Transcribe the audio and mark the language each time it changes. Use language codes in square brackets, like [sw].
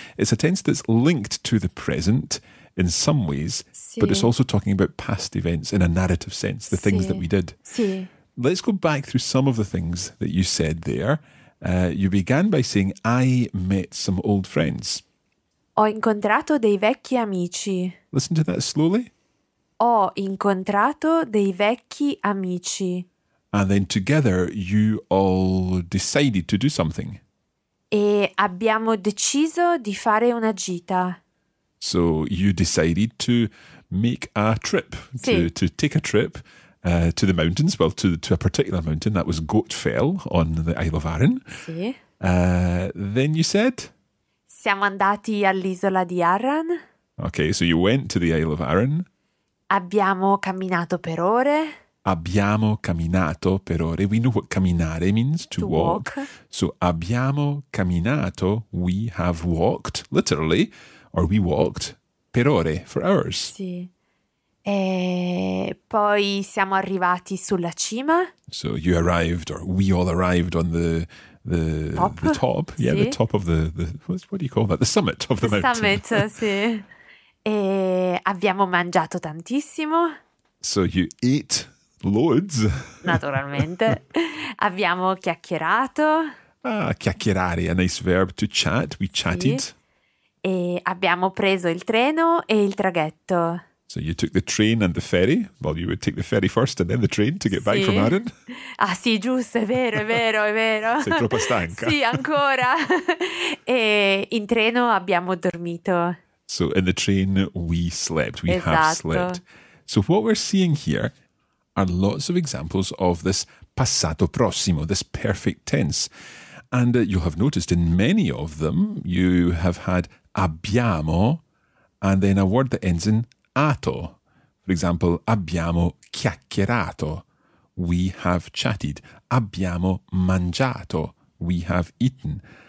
[en] It's a tense that's linked to the present in some ways, [it] sì. [en] But it's also talking about past events in a narrative sense, the [it] sì. [en] Things that we did. [it] Sì. [en] Let's go back through some of the things that you said there. You began by saying, I met some old friends. [it] Ho incontrato dei vecchi amici. [en] Listen to that slowly. [it] Ho incontrato dei vecchi amici. [en] And then together you all decided to do something. [it] E abbiamo deciso di fare una gita. [en] So you decided to make a trip, [it] sì. [en] to take a trip to the mountains, well, to a particular mountain, that was Goatfell on the Isle of Arran. [it] Sì. [en] Then you said? [it] Siamo andati all'isola di Arran. [en] Okay, so you went to the Isle of Arran. [it] Abbiamo camminato per ore. Abbiamo camminato per ore. [en] We know what camminare means, to walk. So [it] abbiamo camminato, [en] we have walked, literally, or we walked, [it] per ore, [en] for hours. [it] Sì. E poi siamo arrivati sulla cima. [en] So you arrived, or we all arrived on the top. Yeah, [it] sì. [en] The top of the, what do you call that? The summit of the mountain. Summit, sì. [it] E abbiamo mangiato tantissimo. So you ate loads. Naturalmente. Abbiamo chiacchierato. [en] Ah, chiacchierare, a nice verb, to chat, we chatted. [it] Sì. E abbiamo preso il treno e il traghetto. [en] So you took the train and the ferry. Well, you would take the ferry first and then the train to get [it] sì. [en] back from Arran. [it] Ah sì, giusto, è vero. Sei troppo stanca. Sì, ancora. E in treno abbiamo dormito. [en] So in the train we slept, we [it] esatto. [en] have slept. So what we're seeing here are lots of examples of this passato prossimo, this perfect tense. And you'll have noticed in many of them, you have had abbiamo and then a word that ends in ato. For example, [it] abbiamo chiacchierato, [en] we have chatted. [it] Abbiamo mangiato, [en] we have eaten.